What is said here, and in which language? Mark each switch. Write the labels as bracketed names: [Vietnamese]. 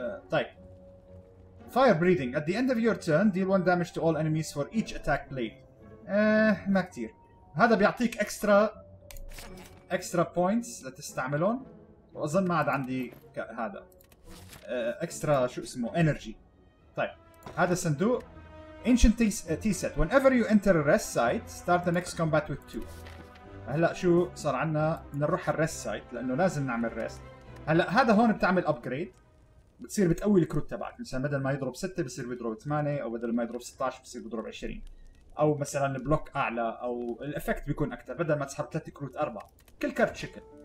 [English] طيب fire breathing at the end of your turn deal 1 damage to all enemies for each attack played, [Arabic] ما كثير. هذا بيعطيك اكسترا بوينتس لتستعملهم، واظن ما عاد عندي هذا اكسترا شو اسمه انرجي. طيب هذا صندوق [English] Ancient tea set, whenever you enter a rest site start the next combat with two. [Arabic] هلا شو صار عنا؟ نروح على الريست سايت لانه لازم نعمل ريست. هلا هذا هون بتعمل ابجريد، بتصير بتقوي الكروت تبعك، مثلا بدل ما يضرب 6 بصير بيضرب 8، او بدل ما يضرب 16 بصير بيضرب 20، او مثلا البلوك اعلى او الافكت بيكون اكثر، بدل ما تسحب 3 كروت 4 كل كارت شكل.